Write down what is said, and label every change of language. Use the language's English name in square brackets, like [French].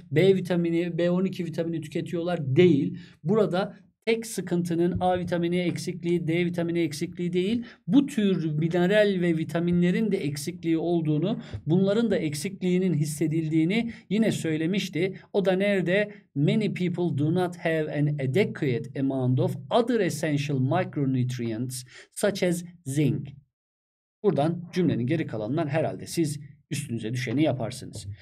[Turkish] B vitamini, B12 vitamini tüketiyorlar değil. Burada tek sıkıntının A vitamini eksikliği, D vitamini eksikliği değil, bu tür mineral ve vitaminlerin de eksikliği olduğunu, bunların da eksikliğinin hissedildiğini yine söylemişti. O da nerede? [English] Many people do not have an adequate amount of other essential micronutrients such as zinc. [Turkish] Buradan cümlenin geri kalanından herhalde siz üstünüze düşeni yaparsınız.